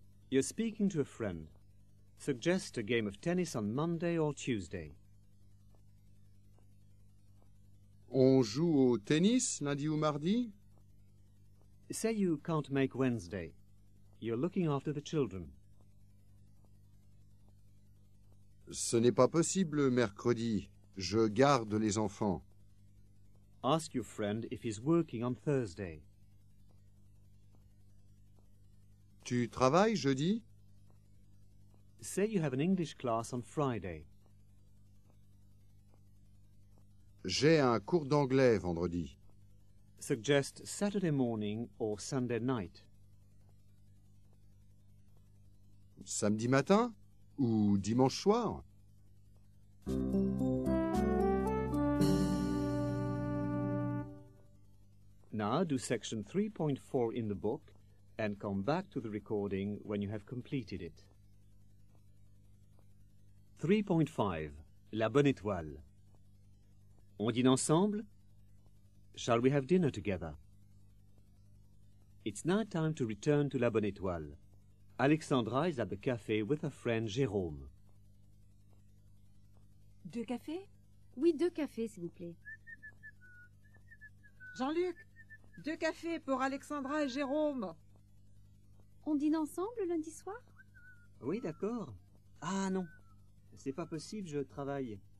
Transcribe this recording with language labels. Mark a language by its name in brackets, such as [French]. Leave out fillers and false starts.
[English] You're speaking to a friend. Suggest a game of tennis on Monday or Tuesday. [French] On joue au tennis lundi ou mardi? [English] Say you can't make Wednesday. You're looking after the children. [French] Ce n'est pas possible mercredi. Je garde les enfants. [English] Ask your friend if he's working on Thursday. [French] Tu travailles jeudi? [English] Say you have an English class on Friday. [French] J'ai un cours d'anglais vendredi. [English] Suggest Saturday morning or Sunday night. [French] Samedi matin ou dimanche soir? [English] Now do section 3.4 in the book and come back to the recording when you have completed it. [French] 3.5. La bonne étoile. On dîne ensemble? [English] Shall we have dinner together? It's now time to return to La Bonne Étoile. Alexandra is at the café with her friend Jérôme. [French] Deux cafés? Oui, deux cafés, s'il vous plaît. Jean-Luc, deux cafés pour Alexandra et Jérôme. On dîne ensemble lundi soir? Oui, d'accord. Ah non, c'est pas possible, je travaille.